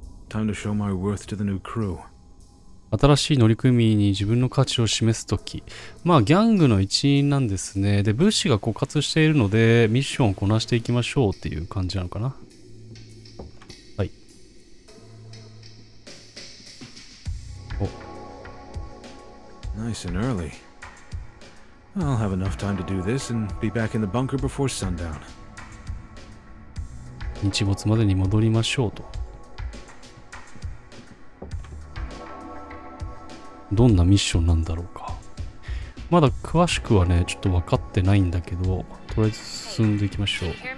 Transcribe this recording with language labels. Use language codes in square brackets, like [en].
[en] Time to show my worth to the new crew. [ja] 新しい乗組員に自分の価値を示すとき、まあギャングの一員なんですね。で、物資が枯渇しているのでミッションをこなしていきましょうっていう感じなのかな。はい。お。 [en] Nice and early. I'll have enough time to do this and be back in the bunker before sundown. [ja] 日没までに戻りましょうと。どんなミッションなんだろうか。まだ詳しくはね、ちょっと分かってないんだけど、とりあえず進んでいきましょう。